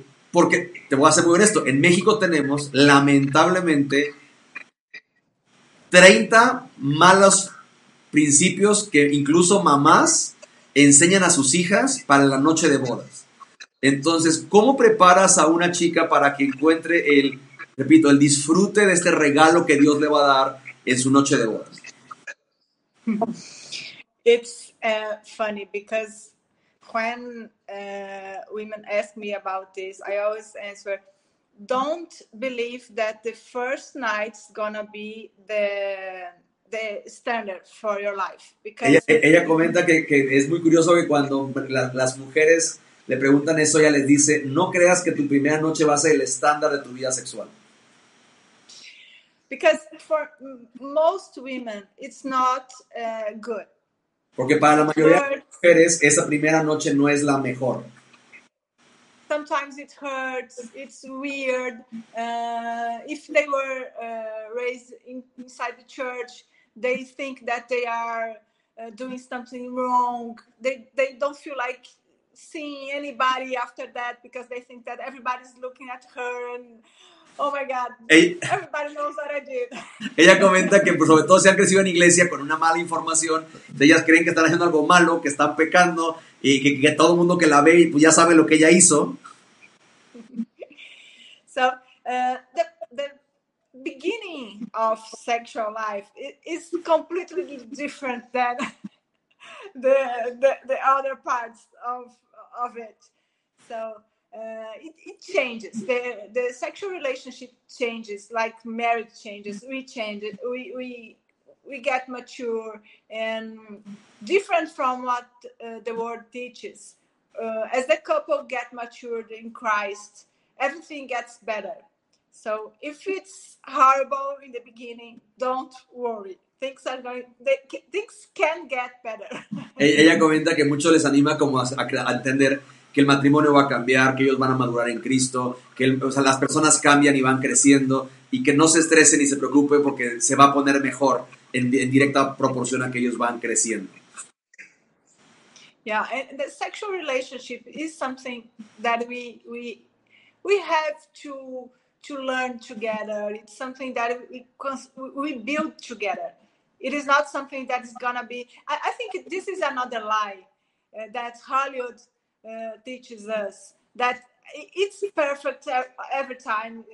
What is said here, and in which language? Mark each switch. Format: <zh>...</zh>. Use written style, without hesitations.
<es>Porque te voy a ser muy honesto, en México tenemos lamentablemente 30 malos principios que incluso mamás enseñan a sus hijas para la noche de bodas. Entonces, ¿cómo preparas a una chica para que encuentre el disfrute de este regalo que Dios le va a dar en su noche de bodas?</es> <en>It's funny because when women ask me about this, I always answer, don't believe that the first night's gonna be the standard for your life. Because</en> <es>ella comenta que es muy curioso que cuando las mujeres le preguntan eso, ella les dice, no creas que tu primera noche va a ser el estándar de tu vida sexual.</es> <en>Because for most women, it's not good.</en> <es>Porque para la mayoría de mujeres, esa primera noche no es la mejor.</es> <en>Sometimes it hurts, it's weird. If they were raised inside the church, they think that they are doing something wrong. They don't feel like seeing anybody after that because they think that everybody's looking at her and... Oh my God, everybody knows what I did.</en> <es>Ella comenta que pues, sobre todo se han crecido en iglesia con una mala información. Ellas creen que están haciendo algo malo, que están pecando, y que todo el mundo que la ve pues, ya sabe lo que ella hizo.</es> <en>So, the beginning of sexual life is completely different than the other parts of it. So, it changes. The sexual relationship changes, like marriage changes. We change it. We get mature and different from what the world teaches. As the couple get matured in Christ, everything gets better. So if it's horrible in the beginning, don't worry. Things can get better.</en> <es>Ella comenta que mucho les anima como a entender que el matrimonio va a cambiar, que ellos van a madurar en Cristo, que las personas cambian y van creciendo, y que no se estresen y se preocupen porque se va a poner mejor en directa proporción a que ellos van creciendo.</es> <en>Yeah, and the sexual relationship is something that we have to learn together. It's something that we build together. It is not something that is gonna be. I think this is another lie that Hollywood teaches us, that it's perfect every time.</en>